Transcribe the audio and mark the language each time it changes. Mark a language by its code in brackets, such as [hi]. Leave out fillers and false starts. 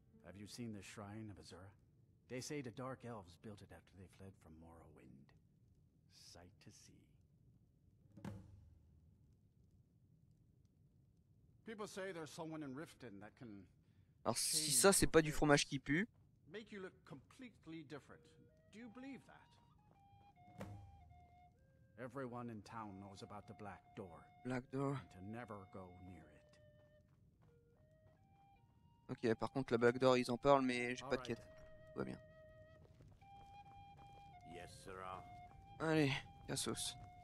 [en] Have you seen the shrine of Azura? They say the Dark Elves built it after they fled from Morrowind. Sight to see. People say there's someone in Riften that can. [fr] Alors si ça c'est pas du fromage qui pue. [en] Make you look completely different. Do you believe that? Everyone in town knows about the Black Door. Black Door. To never go near it. [fr] Ok, par contre la Black Door, ils en parlent, mais j'ai pas de quête. Tout va bien. [en] Yes, sir. [fr] Allez, cassos.